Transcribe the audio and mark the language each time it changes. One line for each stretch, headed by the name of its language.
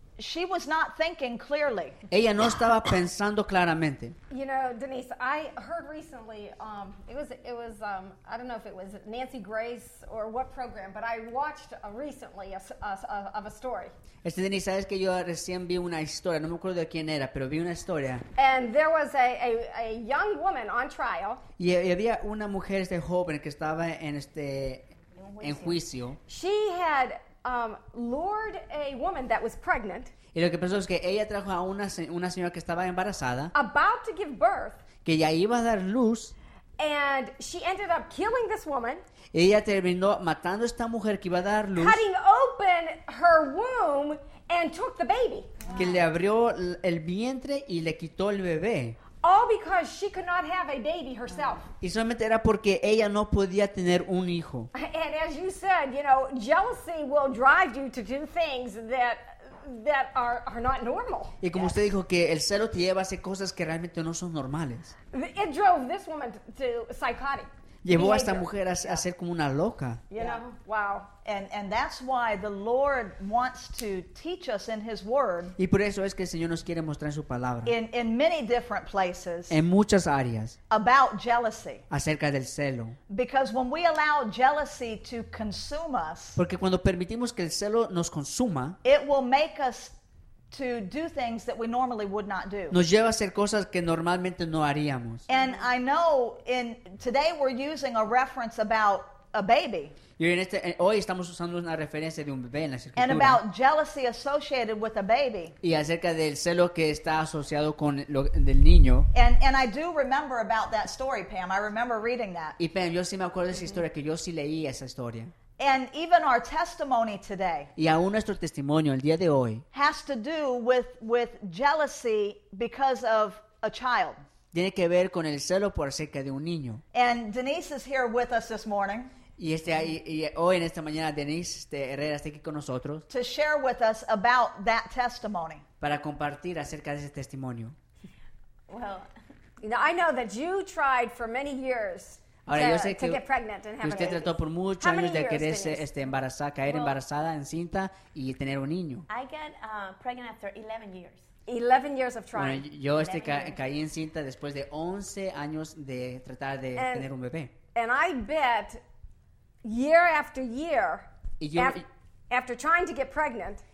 English: she was not thinking clearly.
Spanish: Ella no estaba pensando claramente.
English: You know, Denise, I heard recently, I don't know if it was Nancy Grace or what program, but I watched recently of a story.
Spanish: Denise, sabes que yo recién vi una historia, no me acuerdo de quién era, pero vi una historia.
English: And there was a young woman on trial.
Spanish: Y había una mujer joven que estaba en juicio.
English: She had lured a woman that was pregnant.
Spanish: Y lo que pasó es que ella trajo a una señora que estaba embarazada.
English: About to give birth.
Spanish: Que ya iba a dar luz.
English: And she ended up killing this woman.
Spanish: Y ella terminó matando a esta mujer que iba a dar luz.
English: Cutting open her womb and took the baby.
Spanish: Que le abrió el vientre y le quitó el bebé.
English: All because she could not have a baby herself.
Spanish: Y solamente era porque ella no podía tener un hijo.
English: And as you said, you know, jealousy will drive you to do things that are not normal.
Spanish: Y como usted dijo, que el celo te lleva a hacer cosas que realmente no son normales.
English: It drove this woman to psychotic.
Spanish: Llevó a esta mujer a ser como una loca.
English: You know, wow. And that's why the Lord wants to teach us in His Word.
Spanish: Y por eso es que el Señor nos quiere mostrar en su palabra.
English: In many different places.
Spanish: En muchas áreas.
English: About jealousy.
Spanish: Acerca del celo.
English: Because when we allow jealousy to consume us.
Spanish: Porque cuando permitimos que el celo nos consuma.
English: It will make us to do things that we normally would not do.
Spanish: Nos lleva a hacer cosas que normalmente no haríamos.
English: And I know today we're using a reference about a baby.
Spanish: Y hoy estamos usando una referencia de un bebé en la escritura.
English: And about jealousy associated with a baby.
Spanish: Y acerca del celo que está asociado con del niño.
English: And I do remember about that story, Pam. I remember reading that.
Spanish: Y Pam, yo sí me acuerdo de esa historia, que yo sí leí esa historia.
English: And even our testimony today,
Spanish: y aún nuestro testimonio el día de hoy,
English: has to do with jealousy because of a child.
Spanish: Tiene que ver con el celo por acerca de un niño.
English: And Denise is here with us this morning.
Spanish: Y y hoy en esta mañana Denise Herrera está aquí con nosotros.
English: To share with us about that testimony.
Spanish: Para compartir acerca de ese testimonio.
English: Well, you know, I know that you tried for many years.
Spanish: Ahora,
English: to,
Spanish: yo sé que
English: get pregnant and have
Spanish: usted
English: a baby.
Spanish: Trató por muchos años de quererse embarazada, caer
English: well,
Spanish: embarazada, encinta y tener un niño.
English: I got pregnant after 11 years. 11 years of trying.
Spanish: Bueno, yo caí encinta después de 11 años de tratar de tener un bebé.
English: And I bet year after year, after trying to get pregnant.